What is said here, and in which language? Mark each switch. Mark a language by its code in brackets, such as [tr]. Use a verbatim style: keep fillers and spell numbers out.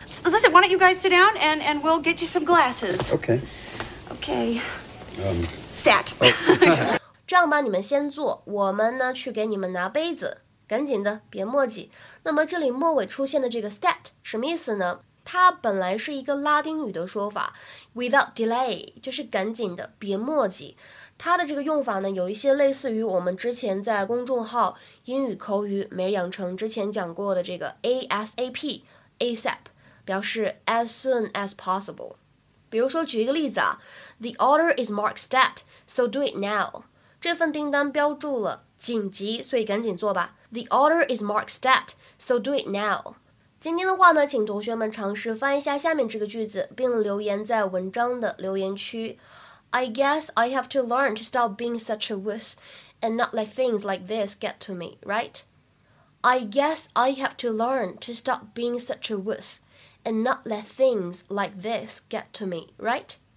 [en] ，Listen, why don't you guys sit down and and we'll get you some glasses. Okay. Okay. Um. Stat. Oh. [zh] 这样吧，你们先坐，我们呢去给你们拿杯子，赶紧的，别墨迹。那么这里末尾出现的这个 stat 什么意思呢？它本来是一个拉丁语的说法 [en] without delay [zh] 就是赶紧的别墨迹，它的这个用法呢有一些类似于我们之前在公众号英语口语每日养成之前讲过的这个 ASAP ASAP 表示 [en] as soon as possible。 [zh] 比如说举一个例子啊， [en] The order is marked stat, so do it now. [zh] 这份订单标注了紧急，所以赶紧做吧。 [en] The order is Mark's debt, so do it now. [zh] 今天的话呢，请同学们尝试翻译一下下面这个句子，并留言在文章的留言区。 [en] I guess I have to learn to stop being such a wuss and not let things like this get to me, right? I guess I have to learn to stop being such a wuss and not let things like this get to me, right?